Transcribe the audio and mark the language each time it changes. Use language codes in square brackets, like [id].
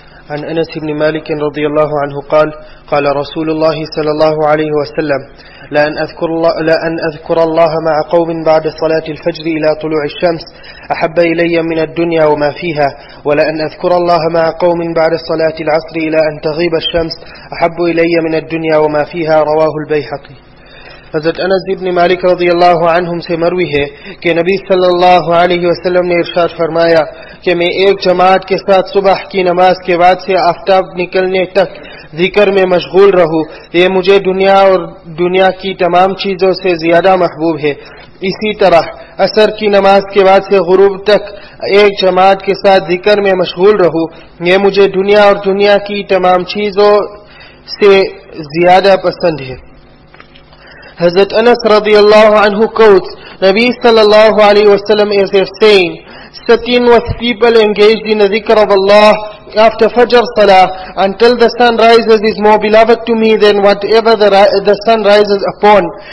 [ar] عن أنس بن مالك رضي الله عنه قال قال رسول الله صلى الله عليه وسلم لأن أذكر الله مع قوم بعد صلاة الفجر إلى طلوع الشمس أحب إلي من الدنيا وما فيها ولأن أذكر الله مع قوم بعد صلاة العصر إلى أن تغيب الشمس أحب إلي من الدنيا وما فيها رواه البيهقي. [ur] حضرت انس ابن مالک رضی اللہ عنہم سے مروی ہے کہ نبی صلی اللہ علیہ وسلم نے ارشاد فرمایا کہ میں ایک جماعت کے ساتھ صبح کی نماز کے بعد سے آفتاب نکلنے تک ذکر میں مشغول رہوں, یہ مجھے دنیا اور دنیا کی تمام چیزوں سے زیادہ محبوب ہے. اسی طرح عصر کی نماز کے بعد سے غروب تک ایک جماعت کے ساتھ ذکر میں مشغول رہوں, یہ مجھے دنیا اور دنیا کی تمام چیزوں سے زیادہ پسند ہے. [en] Hazrat Anas radiallahu anhu quotes Nabi sallallahu alayhi wasallam as if saying, sitting with people engaged in the dhikr of Allah after Fajr Salah until the sun rises is more beloved to me than whatever the sun rises upon.